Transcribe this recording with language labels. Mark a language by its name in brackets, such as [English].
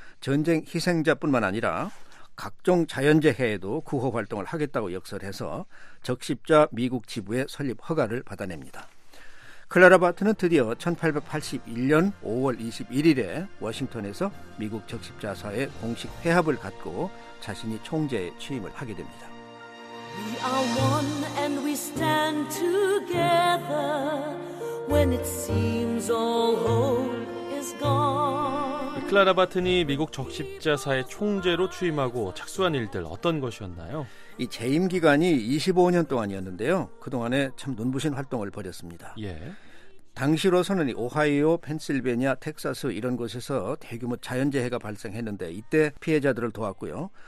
[Korean] 전쟁 희생자뿐만 아니라 각종 자연재해에도 구호활동을 하겠다고 역설해서 적십자 미국 지부의 설립 허가를 받아냅니다. 클라라 바튼은 드디어 1881년 5월 21일에 워싱턴에서 미국 적십자사의 공식 회합을 갖고 자신이 총재에 취임을 하게 됩니다. [English] We are one and we stand together when it seems all hope is gone. [Korean] 클라라 바튼이 미국 적십자사의 총재로 취임하고 착수한 일들 어떤 것이었나요? 이 재임 기간이 25년 동안이었는데요. 그동안에 참 눈부신 활동을 벌였습니다. 예. 당시로서는 오하이오, 펜실베니아, 텍사스 이런 곳에서 대규모 자연재해가 발생했는데 이때 피해자들을 도왔고요.